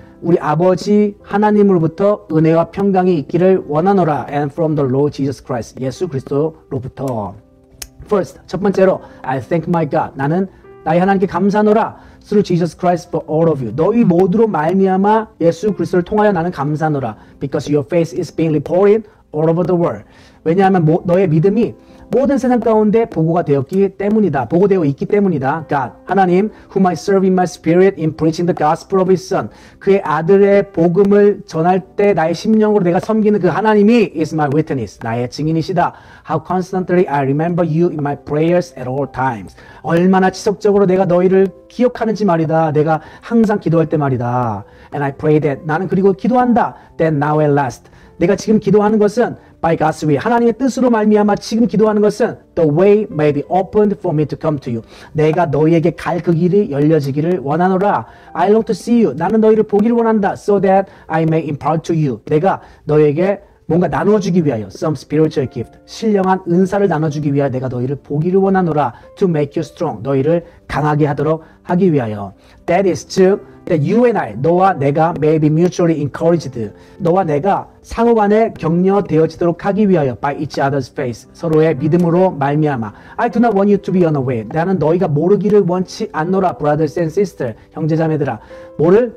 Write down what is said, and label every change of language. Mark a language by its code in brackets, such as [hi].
[ko] 우리 아버지 하나님으로부터 은혜와 평강이 있기를 원하노라. [en] And from the Lord Jesus Christ. [ko] 예수 그리스도로부터. [en] First, [ko] 첫 번째로 [en] I thank my God. [ko] 나는 나의 하나님께 감사하노라. [en] Through Jesus Christ for all of you. [ko] 너희 모두로 말미암아 예수 그리스도를 통하여 나는 감사하노라. [en] Because your faith is being reported all over the world. [ko] 왜냐하면 너의 믿음이 모든 세상 가운데 보고가 되었기 때문이다. 보고되어 있기 때문이다. [en] God, 하나님, whom I serve in my spirit in preaching the gospel of his son. [ko] 그의 아들의 복음을 전할 때 나의 심령으로 내가 섬기는 그 하나님이 [en] is my witness, [ko] 나의 증인이시다. [en] How constantly I remember you in my prayers at all times. [ko] 얼마나 지속적으로 내가 너희를 기억하는지 말이다. 내가 항상 기도할 때 말이다. [en] And I pray that, [ko] 나는 그리고 기도한다. [en] That now at last. [ko] 내가 지금 기도하는 것은 [en] By God's will, [ko] 하나님의 뜻으로 말미암아 지금 기도하는 것은 [en] The way may be opened for me to come to you. [ko] 내가 너희에게 갈 그 길이 열려지기를 원하노라. [en] I long to see you. [ko] 나는 너희를 보기를 원한다. [en] So that I may impart to you. [ko] 내가 너희에게 뭔가 나눠주기 위하여 [en] Some spiritual gift. [ko] 신령한 은사를 나눠주기 위하여 내가 너희를 보기를 원하노라. [en] To make you strong. [ko] 너희를 강하게 하도록 하기 위하여. [en] That is, [ko] 즉, [en] that you and I, [ko] 너와 내가 [en] may be mutually encouraged. [ko] 너와 내가 상호간에 격려되어지도록 하기 위하여 [en] by each other's faith [ko] 서로의 믿음으로 말미암아 [en] I do not want you to be unaware [ko] 나는 너희가 모르기를 원치 않노라 [en] brothers and sisters [ko] 형제자매들아 뭐를?